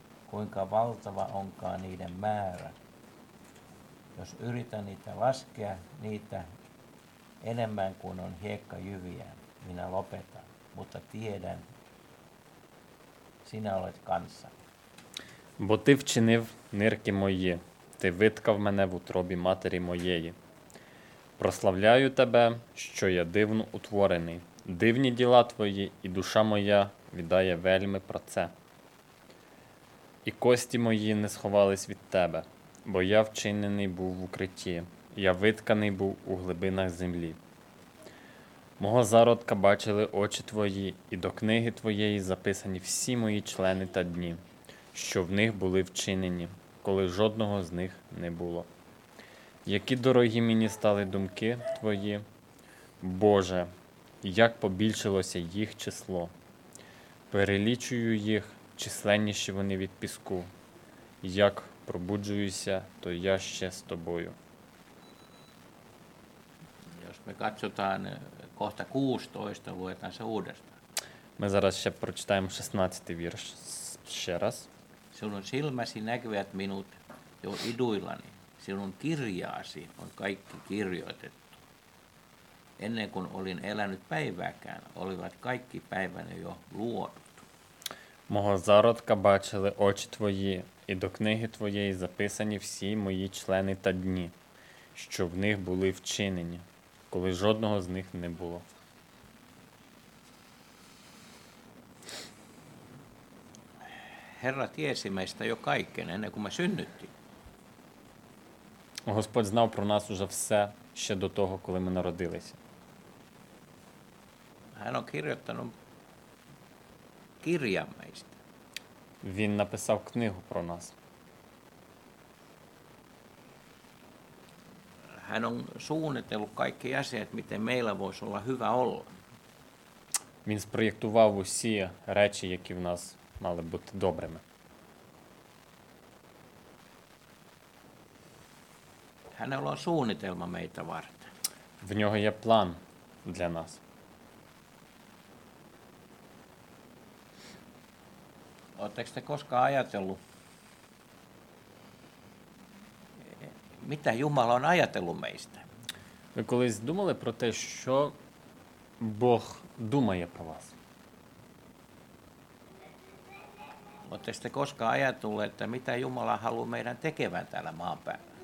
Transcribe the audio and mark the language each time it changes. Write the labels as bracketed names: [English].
[Finnish] Kuinka valtava onkaan niiden määrä? Jos yritän niitä laskea, niitä enemmän kuin on hiekkajyviä, minä lopetan. Mutta tiedän, sinä olet kanssa. [Ukrainian] Бо ти вчинив нирки мої, ти виткав мене в утробі матері моєї. Прославляю тебе, що я дивно утворений. Дивні діла твої, і душа моя віддає вельми про це. І кості мої не сховались від тебе. Бо я вчинений був в укритті, я витканий був у глибинах землі. Мого зародка бачили очі твої, і до книги твоєї записані всі мої члени та дні, що в них були вчинені, коли жодного з них не було. Які дорогі мені стали думки твої, Боже, як побільшилося їх число. Перелічую їх, численніші вони від піску, як пробуджуюся, то я ще з тобою. [Finnish] Jos me katsotaan kohta 16, luetaan se uudestaan. [Ukrainian] Ми зараз ще прочитаємо 16 вірш ще раз. [Finnish] Sinun silmäsi näkevät minut jo iduillani. Sinun kirjaasi on kaikki kirjoitettu. Ennen kuin olin elänyt päivääkään, olivat kaikki päivänä jo luodut. [Ukrainian] Мого зародка бачили очі твої, і до книги твоєї записані всі мої члени та дні, що в них були вчинені, коли жодного з них не було. [Finnish] Herra tiesi meistä jo kaiken, ennen kuin me synnyttiin. [Ukrainian] Господь знав про нас уже все ще до того, коли ми народилися. Ha [Finnish] Hän on kirjoittanut kirjan meistä. [Ukrainian] Він написав книгу про нас. [Finnish] Hän on suunnitellut kaikki asiat, miten meillä voisi olla hyvä olla. [Ukrainian] Він спроєктував усі речі, які в нас мали бути добрими. [Finnish] Hänellä on suunnitelma meitä varten. [Ukrainian] В нього є план для нас. [Finnish] Oletteko te koskaan ajatellut, mitä Jumala on ajatellut meistä? [Ukrainian] Ви колись думали про те, що Бог думає про вас? [Finnish] Oletteko te koskaan ajatellut, että mitä Jumala haluaa meidän tekevän täällä maan päällä?